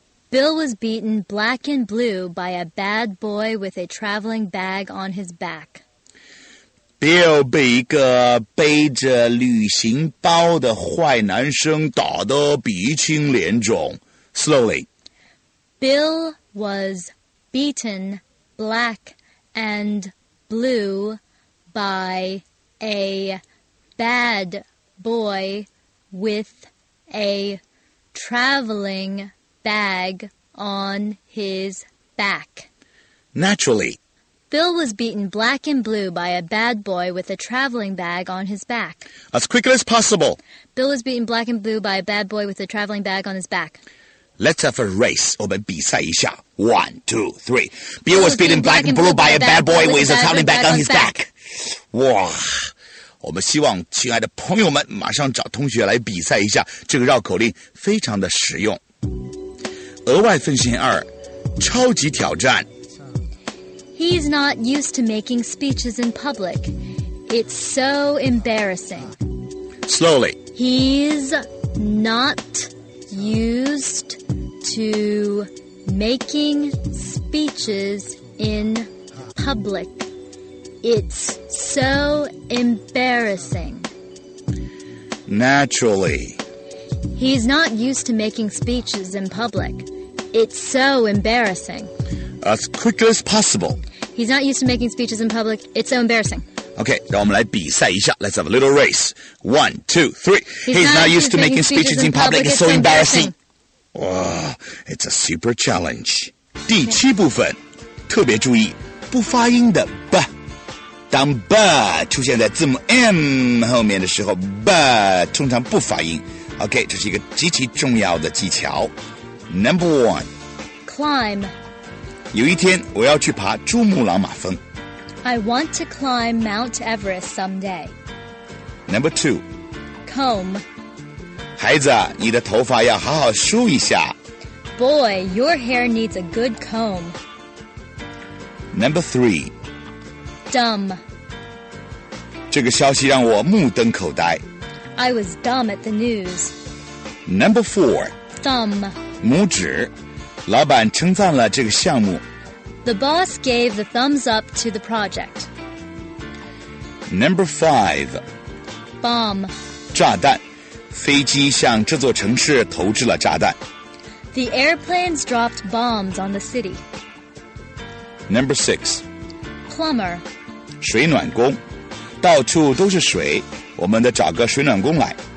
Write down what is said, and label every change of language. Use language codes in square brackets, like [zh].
[en] Bill was beaten black and blue by a bad boy with a traveling bag on his back. [zh] Bill 被一个背着旅行包的坏男生打得鼻青脸肿。 [en] Slowly. Bill was beaten black and blue by a bad boy with a traveling bag on his back. Naturally. Bill was beaten black and blue by a bad boy with a traveling bag on his back. As quickly as possible. Bill was beaten black and blue by a bad boy with a traveling bag on his back. Let's have a race. [zh] 我们比赛一下。 [en] One, two, three. Bill was beaten black and blue by a bad boy with a traveling bag on his back. [zh] 哇，我们希望亲爱的朋友们马上找同学来比赛一下。这个绕口令非常的实用。额外分析二，超级挑战。 [en] He's not used to making speeches in public. It's so embarrassing. Slowly. He's not used to making speeches in public. It's so embarrassing. Naturally. He's not used to making speeches in public. It's so embarrassing. As quickly as possible. He's not used to making speeches in public. It's so embarrassing. Okay, [zh] 让我们来比赛一下。 [en] Let's have a little race. One, two, three. He's not used to making speeches in public. It's so embarrassing. It's a super challenge. [zh] 第七部分，特别注意不发音的 b. 当 b 出现在字母 m 后面的时候 ，b 通常不发音。 Okay, 这是一个极其重要的技巧。 [en] Number one. Climb. [zh] 有一天我要去爬珠穆朗玛峰。 [en] I want to climb Mount Everest someday. Number two. Comb. [zh] 孩子，你的头发要好好梳一下。 [en] Boy, your hair needs a good comb. Number three. Dumb. [zh] 这个消息让我目瞪口呆。 [en] I was dumb at the news. Number four. Thumb. [zh] 拇指。老板称赞了这个项目。 [en] The boss gave the thumbs up to the project. Number five. Bomb. [zh] 炸弹。飞机向这座城市投掷了炸弹。 [en] The airplanes dropped bombs on the city. Number six. Plumber. [zh] 水暖工。到处都是水，我们得找个水暖工来。